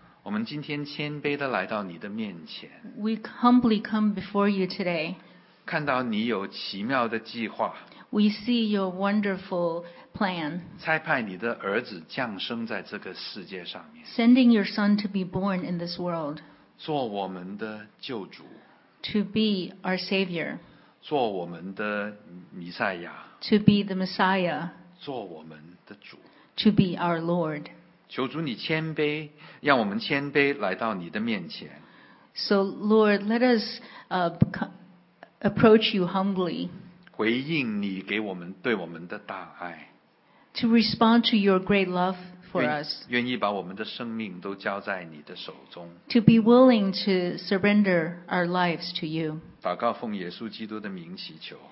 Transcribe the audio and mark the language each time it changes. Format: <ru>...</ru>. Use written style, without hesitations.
<zh>我们今天谦卑地来到你的面前。</zh> <en>We humbly come before you today.</en> <zh>看到你有奇妙的计划。</zh> <en>We see your wonderful plan.</en> <zh>差派你的儿子降生在这个世界上面。</zh> <en>Sending your son to be born in this world.</en> <zh>做我们的救主。</zh> <en>To be our savior.</en> <zh>做我们的弥赛亚。</zh> <en>To be the Messiah.</en> <zh>做我们的主。</zh> <en>To be our Lord.</en> <zh>求主你谦卑，让我们谦卑来到你的面前。</zh> <en>So Lord, let us approach you humbly.</en> <zh>回应你给我们对我们的大爱。</zh> <en>To respond to your great love for us.</en> <zh>愿意把我们的生命都交在你的手中。</zh> <en>To be willing to surrender our lives to you.</en> <zh>祷告奉耶稣基督的名祈求。</zh>